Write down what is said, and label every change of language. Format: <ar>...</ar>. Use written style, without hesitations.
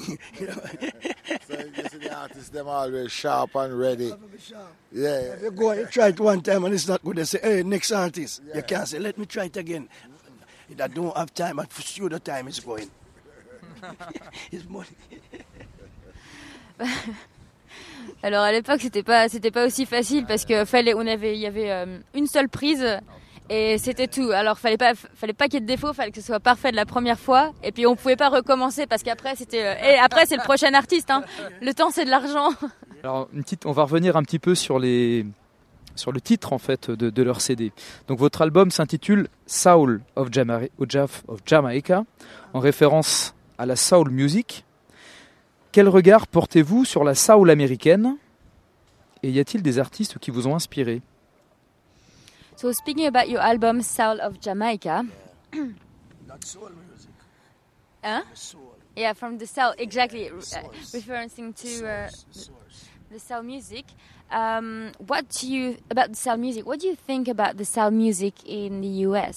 <en>So you see the artists, them always sharp and ready. Yeah. Yeah. You go and you try it one time and it's not good, they say, hey, next artist. Yeah. You can't say, let me try it again. I don't have time, and studio time is going. It's money.</en> <fr>Alors à l'époque c'était pas aussi facile parce que il y avait une seule prise et c'était tout. Alors fallait pas qu'il y ait de défaut, fallait que ce soit parfait de la première fois et puis on pouvait pas recommencer parce qu'après c'est le prochain artiste, hein. Le temps c'est de l'argent. Alors on va revenir un petit peu sur le titre en fait de leur CD. Donc votre album s'intitule Soul of Jamaica en référence à la soul music. Quel regard portez-vous sur la soul américaine et y a-t-il des artistes qui vous ont inspiré?</fr> <en>So speaking about your album Soul of Jamaica. Yeah. Not soul music. Hein? Soul. Yeah, from the soul, exactly. Yeah, the referencing to the soul music. What do you think about the soul music in the US?</en>